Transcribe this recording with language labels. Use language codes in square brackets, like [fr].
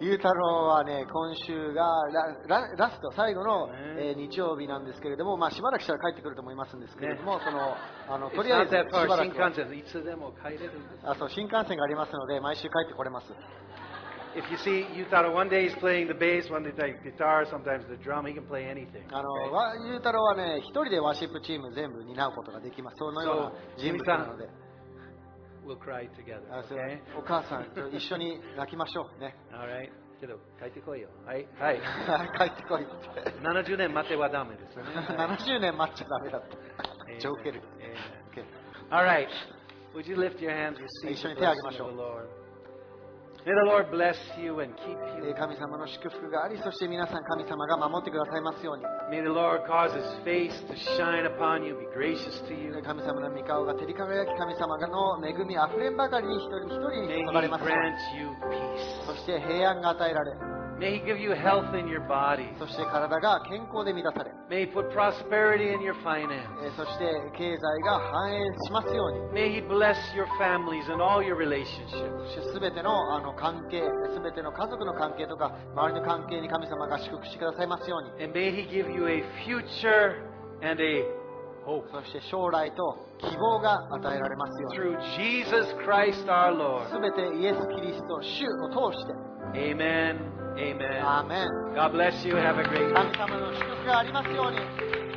[ja] ゆうたろうはね、今週が ラスト最後の、日曜日なんですけれども、まあ、しばらくしたら帰ってくると思いますんですけれども、ね、とりあえずしばらく新幹線いつでも帰れるんです。あ、そう、新幹線がありますので毎週帰ってこれます。 [en] If you see Yutaro, one day he's playing the bass, one day the guitar, sometimes the drum. He can play anything. [ja] あの、ゆうたろうはね、一人でワーシップチーム全部担うことができます。そのような人物なので。 [en] We'll cry together. Okay? [ja] お母さんと一緒に泣きましょうね。 [en] All right. [ja] けど帰ってこいよ。はい。はい、帰ってこいって。 70年待てはダメですね。 70年待っちゃダメだった。ジョーケル。 [en] Okay. All right. Would you lift your hands? [ja] 一緒に手を挙げましょう。 [en] May the Lord bless you and keep you. [ja] 神様の祝福があり、そして皆さん神様が守ってくださいますように。 [en] May the Lord cause His face to shine upon you, be gracious to you. [ja] 神様の御顔が照り輝き、神様の恵みあふれんばかりに一人一人に注がれます。 [en] May He grant you peace. [ja] そして平安が与えられ。 [en] May He give you health in your body. [ja] そして体が健康で満たされ。 [en] May He put prosperity in your finance. [ja] そして経済が繁栄しますように。 [en] May He bless your families and all your relationships. [ja] そしてすべての関係、すべての家族の関係とか周りの関係に神様が祝福してくださいますように。 [en] And may He give you a future and a hope. [ja] そして将来と希望が与えられますように。 [en] Through Jesus Christ our Lord. [ja] すべてイエスキリスト主を通して。 [en] Amen. Amen. Amen. God bless you. Have a great day. [ja] 神様の祝福がありますように。